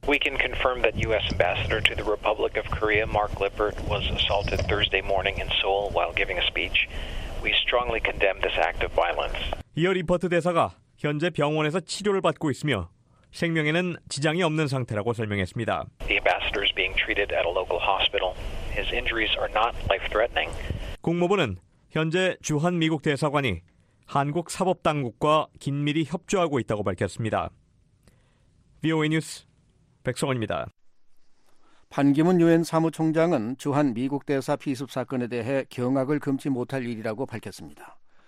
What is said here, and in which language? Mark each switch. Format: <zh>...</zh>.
<en>We can confirm that U.S. Ambassador to the Republic of Korea Mark Lippert was assaulted Thursday morning in Seoul while giving a speech. We strongly condemn this act of violence.</en> <ko>이어 리퍼트 대사가 현재 병원에서 치료를 받고 있으며 생명에는 지장이 없는 상태라고 설명했습니다.</ko> <en>The ambassador is being treated at a local hospital. His injuries are not life-threatening.</en> <ko>국무부는 현재 주한 미국 대사관이 한국 사법 당국과 긴밀히 협조하고 있다고 밝혔습니다. VOA 뉴스 백성원입니다. 판기문 유엔 사무총장은 주한 미국 대사 피습 사건에 대해 경악을 금치 못할 일이라고 밝혔습니다.</ko>